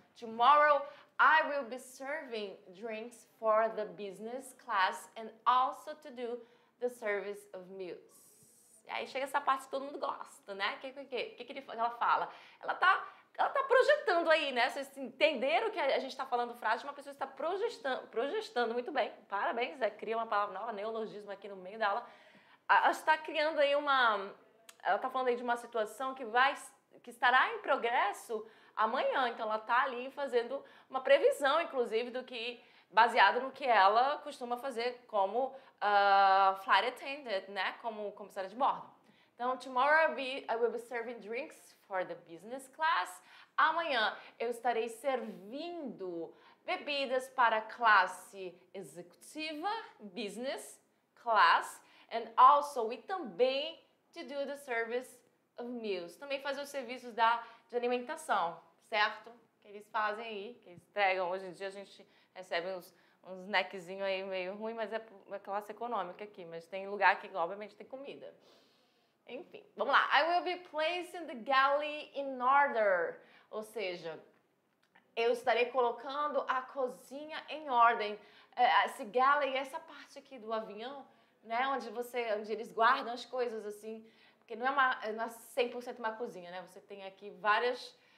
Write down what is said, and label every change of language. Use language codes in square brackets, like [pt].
[en] Tomorrow, I will be serving drinks for the business class and also to do the service of meals. [pt] E aí chega essa parte que todo mundo gosta, né? O que ela fala? Ela tá projetando aí, né? Vocês entenderam que a gente tá falando frase de uma pessoa que está projetando muito bem. Parabéns, Zé. Cria uma palavra nova, neologismo aqui no meio da aula. Ela está criando aí uma... Ela tá falando aí de uma situação que estará em progresso amanhã, então ela está ali fazendo uma previsão, inclusive, do que baseado no que ela costuma fazer como flight attendant, né? Como comissária de bordo. Então, [en] tomorrow I will be serving drinks for the business class. [pt] Amanhã eu estarei servindo bebidas para a classe executiva, business class, [en] and also, [pt] e também, [en] to do the service of meals. [pt] Também fazer os serviços de alimentação. Certo? Que eles fazem aí, que eles entregam. Hoje em dia a gente recebe uns snackzinhos aí meio ruim, mas é uma classe econômica aqui. Mas tem lugar que obviamente tem comida. Enfim, vamos lá. [en] I will be placing the galley in order. [pt] Ou seja, eu estarei colocando a cozinha em ordem. Esse galley, essa parte aqui do avião, né? Onde eles guardam as coisas assim. Porque não é 100% uma cozinha, né? Você tem aqui várias...